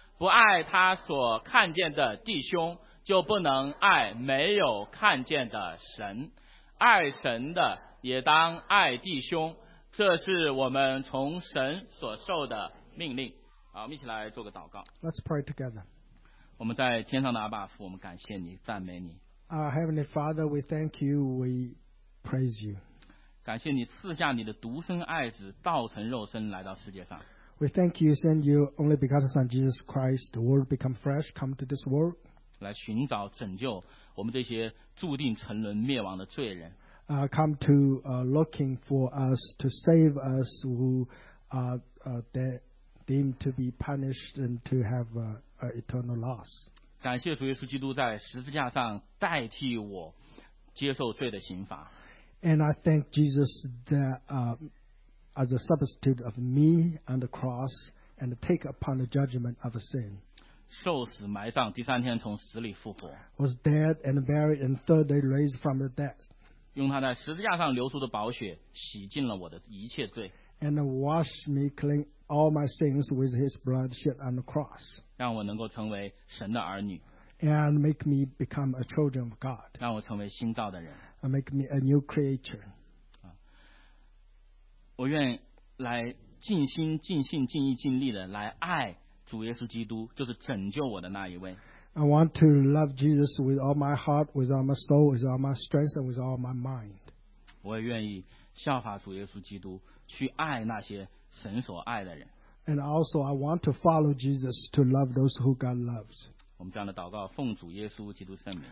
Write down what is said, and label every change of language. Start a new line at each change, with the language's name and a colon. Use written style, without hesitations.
Chinese: 不爱他所看见的弟兄，就不能爱没有看见的神。爱神的也当爱弟兄，这是我们从神所受的命令。好，我们一起来做个祷告。
English: Let's pray together.
Chinese: 我们在天上的阿爸父，我们感谢你，赞美你。
English: Our Heavenly Father, we thank you, we praise you.
Chinese: 感谢你赐下你的独生爱子，道成肉身来到世界上。
English: We thank you, send you only begotten Son Jesus Christ, the Word become flesh, come to this world.
Chinese: 来寻找拯救我们这些注定沉沦灭亡的罪人。
English: Come to looking for us to save us who are deemed to be punished and to have an eternal loss.
Chinese: 感谢主耶稣基督在十字架上代替我接受罪的刑罚。
English: And I thank Jesus that as a substitute of me on the cross and take upon the judgment of sin.
Chinese: 受死埋葬，第三天从死里复活。
English: Was dead and buried and third day raised from the dead.
Chinese: 用他在十字架上流出的宝血洗净了我的一切罪。
English: And washed me clean all my sins with his blood shed on the cross.
Chinese: 让我能够成为神的儿女。
English: And make me become a children of God.
Chinese: 让我成为新造的人。
English: And make me a new creature.
Chinese: 我愿来尽心尽性尽意尽力的来爱主耶稣基督，就是拯救我的那一位。
English: I want to love Jesus with all my heart, with all my soul, with all my strength, and with all my mind.
Chinese: 我也愿意效法主耶稣基督，去爱那些神所爱的人。
English: And also, I want to follow Jesus to love those who God loves.
Chinese: 我们这样的祷告，奉主耶稣基督圣名。